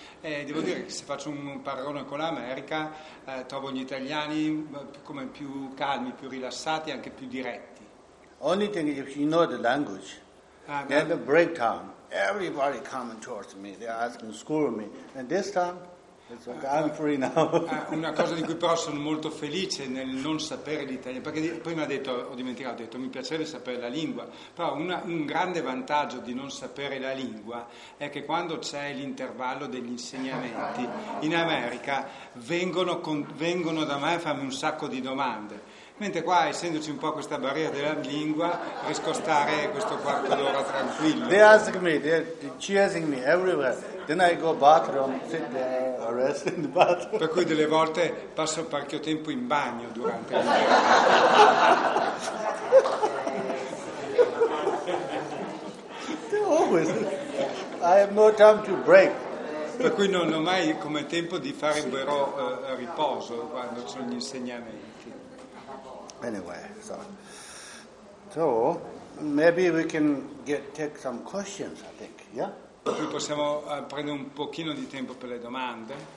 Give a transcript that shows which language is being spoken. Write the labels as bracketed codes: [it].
[it] Devo dire che se faccio un paragone con l'America, trovo gli italiani come più calmi, più rilassati, anche più diretti. [en] Only thing if you know the language, then the breakdown. Everybody coming towards me, they're asking to school me, and this time it's okay, I'm free now. [it] Una cosa di cui però sono molto felice nel non sapere l'italiano, perché prima ho dimenticato, mi piacerebbe sapere la lingua, però un grande vantaggio di non sapere la lingua è che quando c'è l'intervallo degli insegnamenti in America vengono da me a farmi un sacco di domande. Mentre qua, essendoci un po' questa barriera della lingua, riesco a stare questo quarto d'ora tranquillo. [en] They ask me, they're chasing me everywhere. Then I go bathroom, sit there, I rest in the bathroom. [it] Per cui delle volte passo parecchio tempo in bagno durante il giorno. [en] They always, I have no time to break. [it] Per cui non ho mai come tempo di fare vero riposo quando sono gli insegnamenti. [en] Anyway, so maybe we can take some questions, I think, yeah? [it] Possiamo prendere un pochino di tempo per le domande.